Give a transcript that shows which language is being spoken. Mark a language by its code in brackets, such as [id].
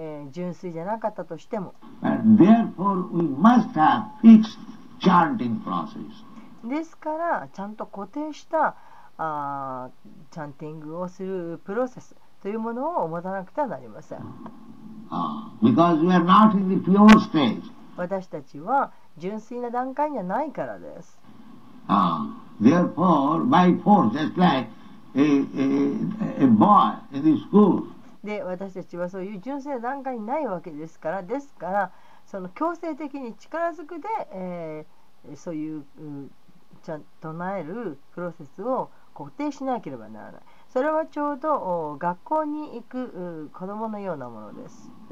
[ja] 純粋じゃなかったとしても。 [en] Therefore, we must have fixed chanting process. [ja] ですからちゃんと固定したチャンティングをするプロセスというものを持たなくてはなりません。 [en] Because we are not in the pure stage. [ja] 私たちは純粋な段階にはないからです。 [en] Therefore, by force, just like a boy in the school. [ja] で、私たちはそういう純粋な段階にないわけですから、ですからその強制的に力づくで、そういう唱えるプロセスを固定しなければならない。それはちょうど学校に行く子供のようなものです。